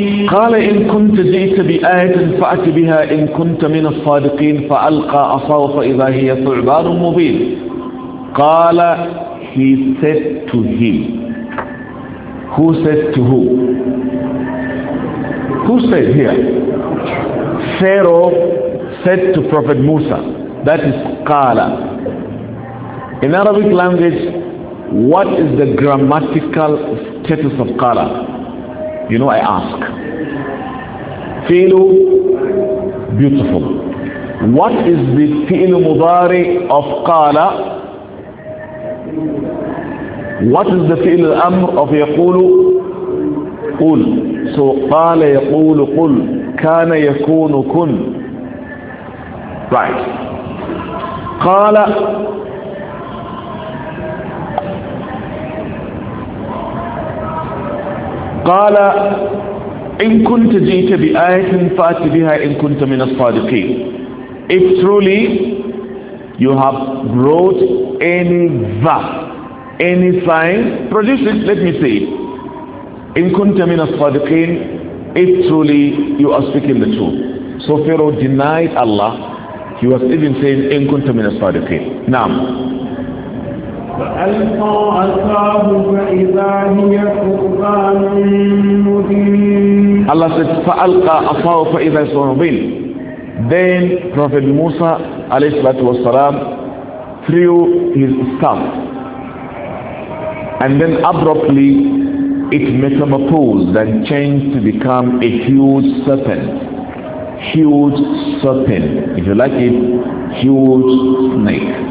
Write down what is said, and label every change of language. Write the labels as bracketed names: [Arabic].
[Arabic] قال إن كنت جئت بآية فأت بها إن كنت من الصادقين فألقى عصاه فإذا هي ثعبان مبين. قال [English] he said to him. Who said to who? Who said here? Pharaoh said to Prophet Musa. That is Qala. In Arabic language, what is the grammatical status of Qala? You know, I ask. Fi'lu, beautiful. What is the fi'lu mudari of Qala? What is the fi'lu amr of yaqulu? [Arabic] Qul. [English] So [Arabic] qala yaqulu qul. Kana yakunu kun. [English] Right. [Arabic] Qala. Qala. إن كنت جئت بآية فأت بها إن كنت من الصادقين. [English] If truly you have brought any verb, any sign, produce it, let me see. [Arabic] إن كنت من الصادقين, [English] if truly you are speaking the truth. So Pharaoh denied Allah. He was even saying [Arabic] إن كنت من الصادقين. نعم. فألقى عصاه فإذا هي ثعبان مبين. [English] Allah said, [Arabic] فَأَلْقَى أَصَاهُ فَإِذَا سُنُبِينَ. [English] Then Prophet Musa alayhi salatu wasalam threw his staff. And then abruptly it metamorphosed and changed to become a huge serpent. Huge serpent. If you like it, huge snake.